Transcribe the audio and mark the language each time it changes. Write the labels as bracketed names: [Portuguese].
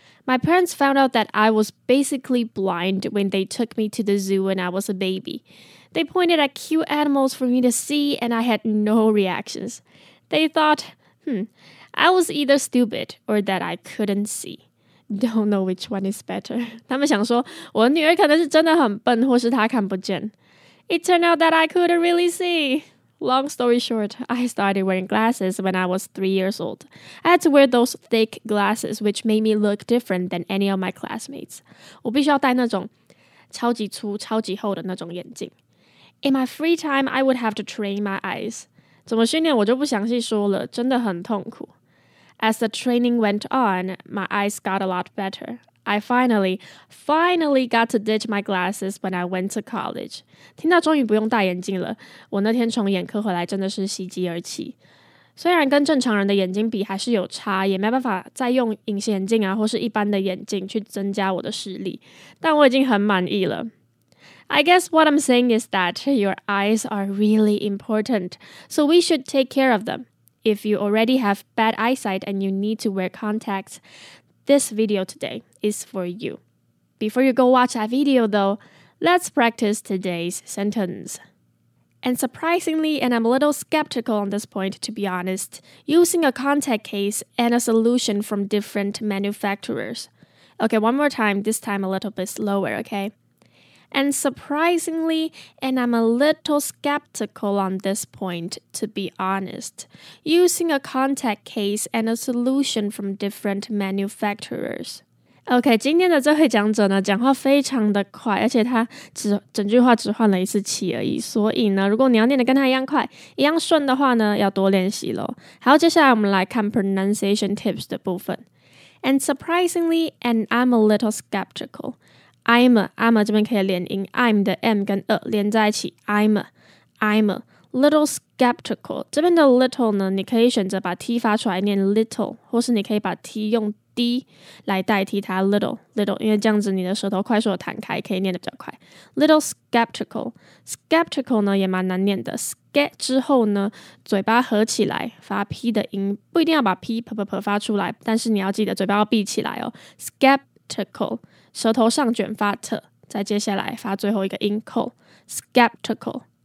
[English] My parents found out that I was basically blind when they took me to the zoo when I was a baby. They pointed at cute animals for me to see, and I had no reactions. They thought, I was either stupid or that I couldn't see. Don't know which one is better. [Chinese] 他们想说，我女儿可能是真的很笨，或是她看不见。 [English] It turned out that I couldn't really see. Long story short, I started wearing glasses when I was 3 years old. I had to wear those thick glasses, which made me look different than any of my classmates. [Chinese] 我必须要戴那种超级粗、超级厚的那种眼镜。 [English] In my free time, I would have to train my eyes. [Chinese] 怎么训练我就不详细说了，真的很痛苦。 [English] As the training went on, my eyes got a lot better. I finally got to ditch my glasses when I went to college. [Chinese] 听到终于不用戴眼镜了，我那天从眼科回来真的是喜极而泣。虽然跟正常人的眼睛比还是有差，也没办法再用隐形眼镜啊，或是一般的眼镜去增加我的视力，但我已经很满意了。 [English] I guess what I'm saying is that your eyes are really important, so we should take care of them. If you already have bad eyesight and you need to wear contacts,This video today is for you. Before you go watch that video, though, let's practice today's sentence. And surprisingly, and I'm a little skeptical on this point, to be honest, using a contact case and a solution from different manufacturers. Okay, one more time, this time a little bit slower, okay? And surprisingly, and I'm a little skeptical on this point, to be honest, using a contact case and a solution from different manufacturers. [Chinese] OK, 今天的这位讲者呢讲话非常的快，而且他整句话只换了一次气而已，所以呢如果你要念得跟他一样快一样顺的话呢要多练习咯。好，接下来我们来看 pronunciation tips 的部分。 [English] And surprisingly, and I'm a little skeptical. I'm a [Chinese] 这边可以连音 I'm 的 M 跟 a 连在一起 [English] I'm a little skeptical [Chinese] 这边的 little 呢你可以选择把 T 发出来念 little 或是你可以把 T 用 D 来代替它 little 因为这样子你的舌头快速的弹开可以念得比较快 [English] little skeptical [Chinese] 呢也蛮难念的 ske 之后呢嘴巴合起来发 P 的音不一定要把 P 噗噗噗发出来但是你要记得嘴巴要闭起来哦 skeptical舌头上卷发特，再接下来发最后一个音 col skeptical.